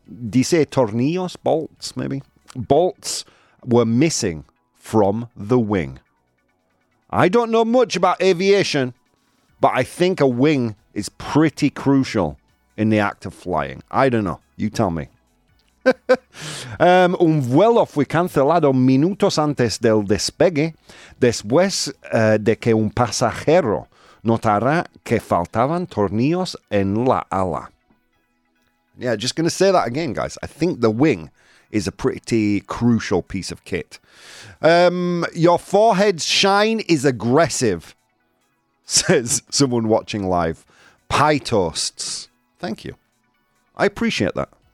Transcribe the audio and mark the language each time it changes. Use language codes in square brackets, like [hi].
[en] Do you say tornillos? Bolts, maybe? Bolts were missing from the wing. I don't know much about aviation, but I think a wing is pretty crucial in the act of flying. I don't know. You tell me. [es] un vuelo fue cancelado minutos antes del despegue, después de que un pasajero notara que faltaban tornillos en la ala. [en] Yeah, just going to say that again, guys. I think the wing is a pretty crucial piece of kit. Your forehead's shine is aggressive, says someone watching live. Pie toasts. Thank you. I appreciate that.